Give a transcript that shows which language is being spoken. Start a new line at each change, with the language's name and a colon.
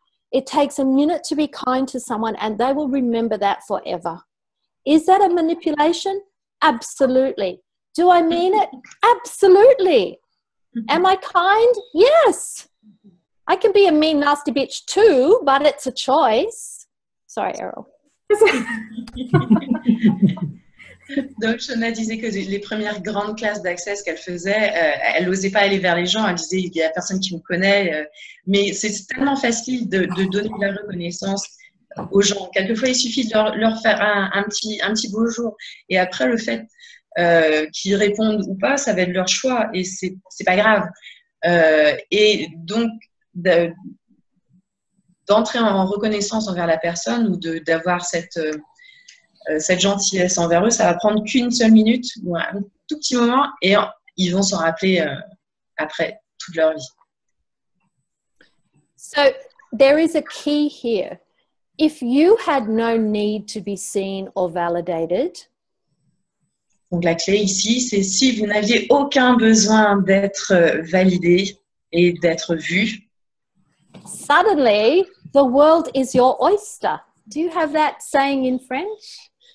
English: It takes a minute to be kind to someone and they will remember that forever. Is that a manipulation? Absolutely. Do I mean it? Absolutely. Am I kind? Yes. I can be a mean, nasty bitch too, but it's a choice. Sorry, Eryl.
French: Donc, Shauna disait que les premières grandes classes d'Access qu'elle faisait, elle n'osait pas aller vers les gens. Elle disait, il n'y a personne qui me connaît. Mais c'est tellement facile de donner de la reconnaissance aux gens. Quelquefois, il suffit de leur faire un petit bonjour. Et après, le fait qu'ils répondent ou pas, ça va être leur choix. Et c'est pas grave. Et donc, d'entrer en reconnaissance envers la personne ou d'avoir cette gentillesse envers eux, ça va prendre qu'une seule minute ou un tout petit moment et ils vont s'en rappeler après toute leur vie.
English: So, there is a key here. If you had no need to be seen or validated.
French: Donc, la clé ici, c'est si vous n'aviez aucun besoin d'être validé et d'être vu.
English: Suddenly, the world is your oyster. Do you have that saying in French?